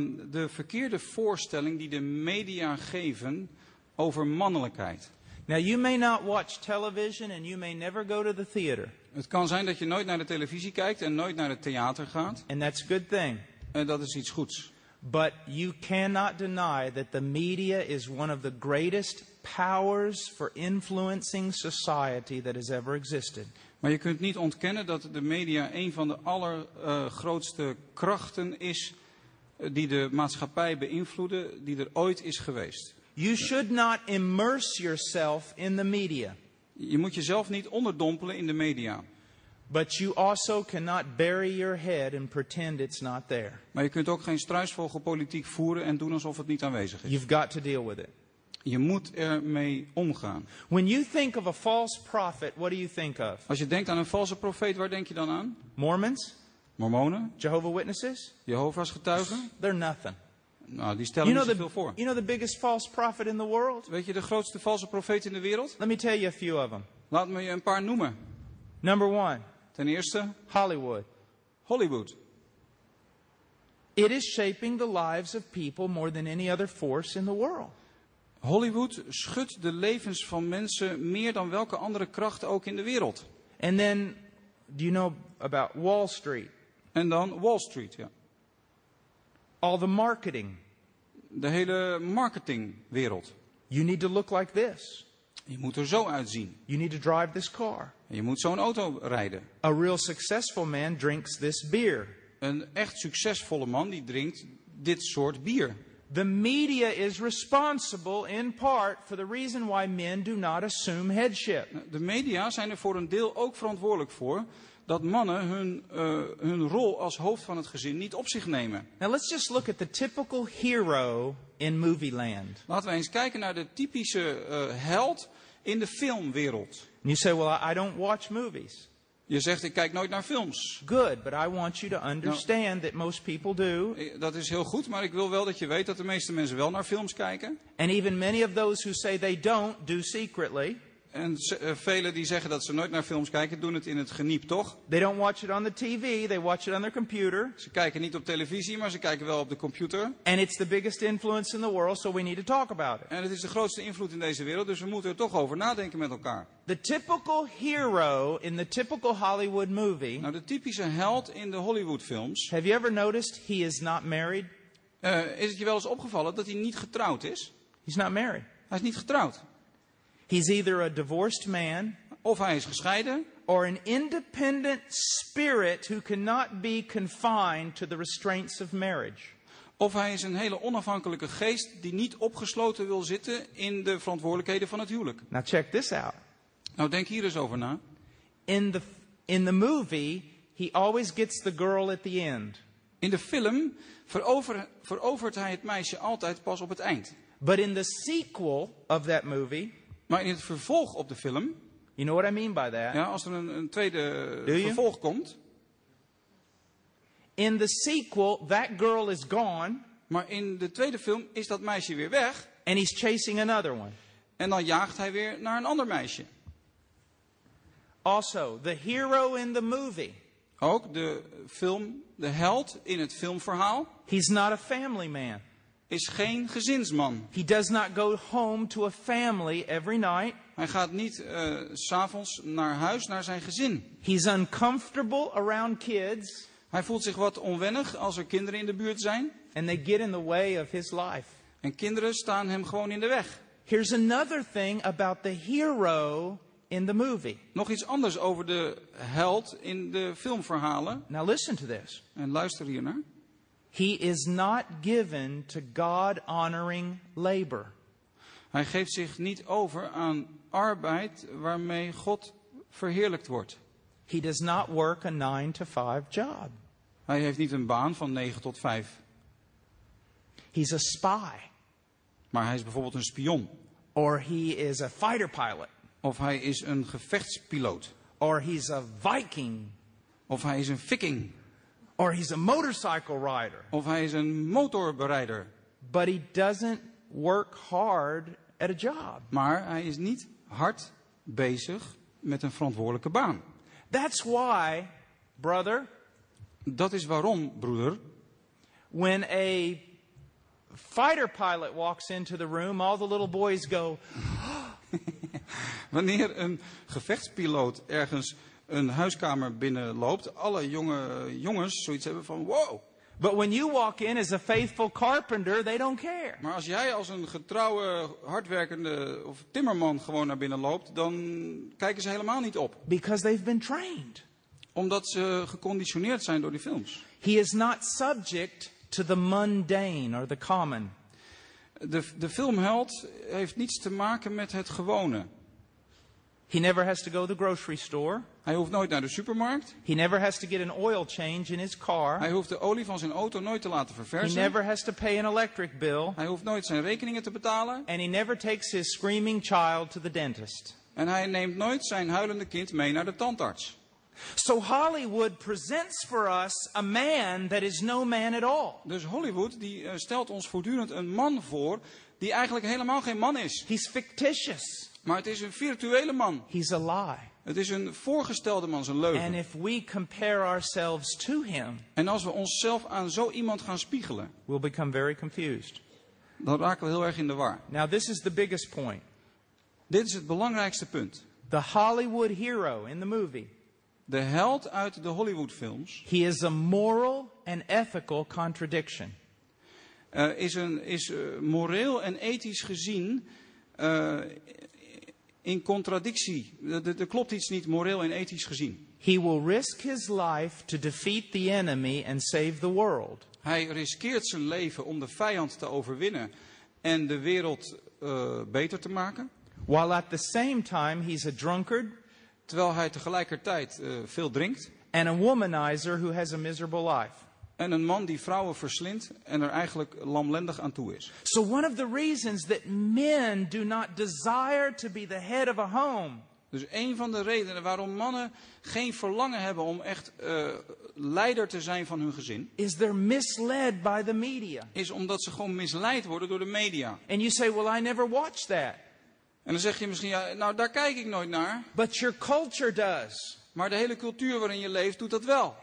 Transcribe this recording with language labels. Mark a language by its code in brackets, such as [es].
[nl] De verkeerde voorstelling die de media geven over mannelijkheid. [en] Now you may not watch television and you may never go to the theater. [nl] Het kan zijn dat je nooit naar de televisie kijkt en nooit naar het theater gaat. [en] And that's a good thing. [nl] En dat is iets goeds. [en] But you cannot deny that the media is one of the greatest powers for influencing society that has ever existed. [nl] Maar je kunt niet ontkennen dat de media een van de allergrootste krachten is die de maatschappij beïnvloeden die er ooit is geweest. [en] You should not immerse yourself in the media. [nl] Je moet jezelf niet onderdompelen in de media. [en] But you also cannot bury your head and pretend it's not there. [nl] Maar je kunt ook geen struisvogelpolitiek voeren en doen alsof het niet aanwezig is. [en] You've got to deal with it. [nl] Je moet ermee omgaan. [en] When you think of a false prophet, what do you think of? [nl] Als je denkt aan een valse profeet, waar denk je dan aan? [en] Mormons? [nl] Mormonen? [en] Jehovah's Witnesses? [nl] Jehovah's getuigen? [en] They're nothing. [nl] Nou, die stellen niet zoveel voor. [en] You know the biggest false prophet in the world? [nl] Weet je de grootste valse profeet in de wereld? [en] Let me tell you a few of them. [nl] Laat me je een paar noemen. [en] Number one. [nl] Ten eerste. [en] Hollywood. [nl] Hollywood. [en] It is shaping the lives of people more than any other force in the world. [nl] Hollywood schudt de levens van mensen meer dan welke andere kracht ook in de wereld. [en] And then, do you know about Wall Street? [nl] En dan Wall Street, ja. [en] All the marketing. [nl] De hele marketingwereld. [en] You need to look like this. [nl] Je moet er zo uitzien. [en] You need to drive this car. [nl] Je moet zo'n auto rijden. [en] A real successful man drinks this beer. [nl] Een echt succesvolle man die drinkt dit soort bier. [en] The media is responsible in part for the reason why men do not assume headship. [nl] De media zijn er voor een deel ook verantwoordelijk voor dat mannen hun rol als hoofd van het gezin niet op zich nemen. [en] Now let's just look at the typical hero in movie land. [nl] Laten we eens kijken naar de typische held in de filmwereld. [en] And you say, well, I don't watch movies. [nl] Je zegt, ik kijk nooit naar films. [en] Good, but I want you to understand that most people do. [nl] Dat is heel goed, maar ik wil wel dat je weet dat de meeste mensen wel naar films kijken. [en] And even many of those who say they don't do secretly. [nl] En velen die zeggen dat ze nooit naar films kijken, doen het in het geniep, toch? [en] They don't watch it on the TV, they watch it on their computer. [nl] Ze kijken niet op televisie, maar ze kijken wel op de computer. [en] And it's the biggest influence in the world, so we need to talk about it. [nl] En het is de grootste invloed in deze wereld, dus we moeten er toch over nadenken met elkaar. [en] The typical hero in the typical Hollywood movie. [nl] Nou, de typische held in de Hollywood films. [en] Have you ever noticed he is not married? [nl] Is het je wel eens opgevallen dat hij niet getrouwd is? [en] He's not married. [nl] Hij is niet getrouwd. [en] He's either a divorced man, [nl] of hij is gescheiden, [en] or an independent spirit who cannot be confined to the restraints of marriage. [nl] Of hij is een hele onafhankelijke geest die niet opgesloten wil zitten in de verantwoordelijkheden van het huwelijk. [en] Now check this out. [nl] Nou, denk hier eens over na. [en] In the movie, he always gets the girl at the end. [nl] In de film verovert hij het meisje altijd pas op het eind. [en] But in the sequel of that movie. [nl] Maar in het vervolg op de film. [en] You know what I mean by that? [nl] Ja, als er een tweede vervolg komt. [en] In the sequel, that girl is gone. [nl] Maar in de tweede film is dat meisje weer weg. [en] And he's chasing another one. [nl] En dan jaagt hij weer naar een ander meisje. [en] Also, the hero in the movie. [nl] Ook de film, de held in het filmverhaal. [en] He's not a family man. [nl] Is geen gezinsman. [en] He does not go home to a family every night. [nl] Hij gaat niet 's avonds naar huis naar zijn gezin. [en] He's uncomfortable around kids. [nl] Hij voelt zich wat onwennig als er kinderen in de buurt zijn. [en] And they get in the way of his life. [nl] En kinderen staan hem gewoon in de weg. [en] Here's another thing about the hero in the movie. [nl] Nog iets anders over de held in de filmverhalen. [en] Now listen to this. [nl] En luister hier naar. [en] He is not given to God-honoring labor. [nl] Hij geeft zich niet over aan arbeid waarmee God verheerlijkt wordt. [en] He does not work a 9-to-5 job. [nl] Hij heeft niet een baan van 9 tot 5. [en] He's a spy. [nl] Maar hij is bijvoorbeeld een spion. [en] Or he is a fighter pilot. [nl] Of hij is een gevechtspiloot. [en] Or he's a Viking. [nl] Of hij is een Viking. [en] Or he's a motorcycle rider. [nl] Of hij is een motorberijder. [en] But he doesn't work hard at a job. [nl] Maar hij is niet hard bezig met een verantwoordelijke baan. [en] That's why, brother. [nl] Dat is waarom, broeder. [en] When a fighter pilot walks into the room, all the little boys go. [nl] Wanneer een gevechtspiloot ergens een huiskamer binnenloopt, alle jongens zoiets hebben van wow. [en] But when you walk in as a faithful carpenter, they don't care. [nl] Maar als jij als een getrouwe, hardwerkende of timmerman gewoon naar binnen loopt, dan kijken ze helemaal niet op. [en] Because they've been trained. [nl] Omdat ze geconditioneerd zijn door die films. [en] He is not subject to the mundane or the common. [nl] De filmheld heeft niets te maken met het gewone. [en] He never has to go to the grocery store. [nl] Hij hoeft nooit naar de supermarkt. [en] He never has to get an oil change in his car. [nl] Hij hoeft de olie van zijn auto nooit te laten verversen. [en] He never has to pay an electric bill. [nl] Hij hoeft nooit zijn rekeningen te betalen. [en] And he never takes his screaming child to the dentist. [nl] En hij neemt nooit zijn huilende kind mee naar de tandarts. [en] So Hollywood presents for us a man that is no man at all. [nl] Dus Hollywood die stelt ons voortdurend een man voor die eigenlijk helemaal geen man is. [en] He's fictitious. [nl] Maar het is een virtuele man. [en] He's a lie. [nl] Het is een voorgestelde man, zijn leugen. [en] And if we compare ourselves to him, [nl] en als we onszelf aan zo iemand gaan spiegelen, [en] we'll become very confused. [nl] Dan raken we heel erg in de war. [en] Now this is the biggest point. [nl] Dit is het belangrijkste punt. [en] The Hollywood hero in the movie. [nl] De held uit de Hollywoodfilms. [en] He is a moral and ethical contradiction. [nl] Is moreel en ethisch gezien in contradictie. Er klopt iets niet moreel en ethisch gezien. [en] He will risk his life to defeat the enemy and save the world. [nl] Hij riskeert zijn leven om de vijand te overwinnen en de wereld beter te maken. [en] While at the same time he's a drunkard. [nl] Terwijl hij tegelijkertijd veel drinkt. [en] And a womanizer who has a miserable life. [nl] En een man die vrouwen verslindt en er eigenlijk lamlendig aan toe is. [en] So one of the reasons that men do not desire to be the head of a home. [nl] Dus een van de redenen waarom mannen geen verlangen hebben om echt leider te zijn van hun gezin. [en] Is they're misled by the media. [nl] Is omdat ze gewoon misleid worden door de media. [en] And you say, well, I never watched that. [nl] En dan zeg je misschien, ja, nou daar kijk ik nooit naar. [en] But your culture does. [nl] Maar de hele cultuur waarin je leeft doet dat wel.